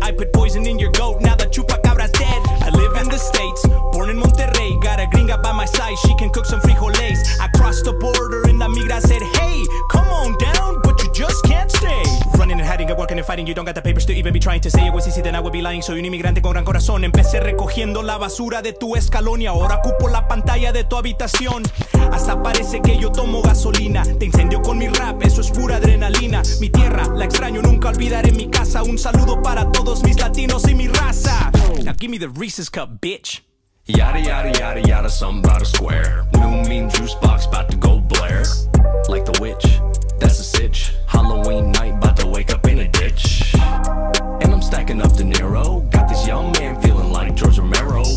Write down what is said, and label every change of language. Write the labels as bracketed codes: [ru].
[en] I put poison in your goat, now the chupacabra's dead. I live in the States, born in Monterrey. Got a gringa by my side, she can cook some frijoles. I crossed the border and la migra said, hey, come on down, but you just can't stay. Running and hiding and working and fighting, you don't got the papers to even be trying to say. It was easy, then I would be lying. [es] Soy un inmigrante con gran corazón. Empecé recogiendo la basura de tu escalón y ahora ocupo la pantalla de tu habitación. Hasta parece que yo tomo gasolina. Te incendio con mi rap, eso es pura adrenalina. Mi tierra, la extraño, nunca olvidaré mi casa. Un saludo para todos mis latinos y mi raza. [en] Now give me the Reese's Cup, bitch. Yada yada yada yada, something about a square. New meme juice box about to go blare. Like the witch, that's a sitch. Halloween night, about to wake up in a ditch. And I'm stacking up De Niro. Got this young man feeling like George Romero.